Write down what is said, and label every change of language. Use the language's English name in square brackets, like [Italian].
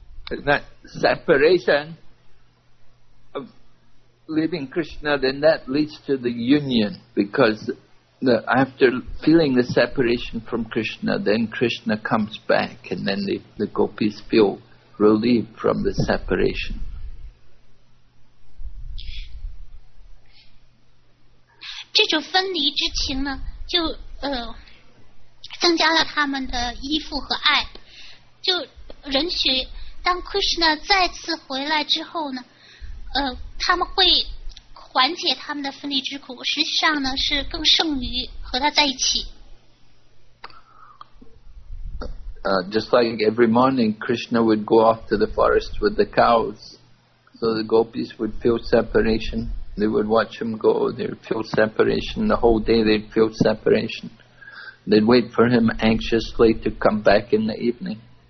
[English] That separation of leaving Krishna, then that leads to the union, because after feeling the separation from Krishna, then Krishna comes back, and then the gopis feel relieved from the separation. [Chinese] This 种分离之情呢，就增加了他们的依附和爱，就允许当 Krishna 再次回来之后呢，他们会缓解他们的分离之苦，实际上呢是更胜于和他在一起。 [English] Just like every morning, Krishna would go off to the forest with the cows, so the gopis would feel separation. They would watch him go. They'd feel separation the whole day. They'd feel separation. They'd wait for him anxiously to come back in the evening.